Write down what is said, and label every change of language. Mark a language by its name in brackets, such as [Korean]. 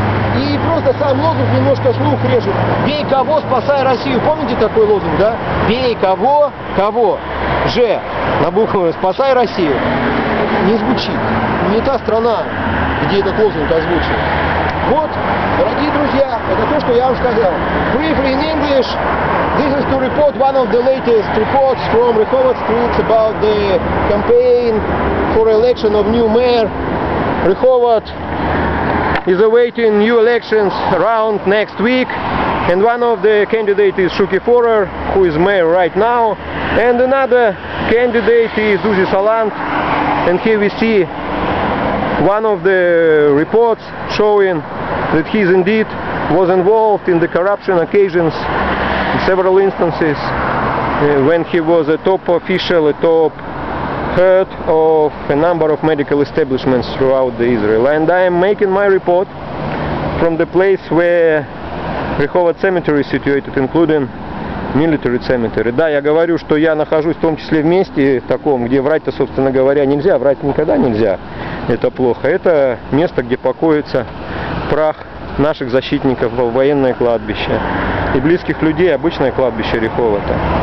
[Russian] И просто сам лозунг немножко слух режет. Бей кого, спасай Россию. Помните такой лозунг, да? Бей кого, кого. Же, на букву, спасай Россию. Не звучит. Не та страна, где этот лозунг озвучен. Вот, дорогие друзья, это то, что я вам сказал. [English] Briefly in English, this is to report one of the latest reports from Rehovot Street about the campaign for election of new mayor. Rehovot is awaiting new elections around next week, and one of the candidates is Shuki Forer, who is mayor right now, and another candidate is Uzi Salant, and here we see one of the reports showing that he indeed was involved in the corruption occasions in several instances when he was a top official, a top head of a number of medical establishments throughout the Israel. And I am making my report from the place where Rehovot cemetery is situated, including military cemetery. [Russian] Да, я говорю, что я нахожусь в том числе в месте таком, где врать-то, собственно говоря, нельзя, врать никогда нельзя. Это плохо. Это место, где покоится прах наших защитников, военное кладбище и близких людей, обычное кладбище Рехова-то.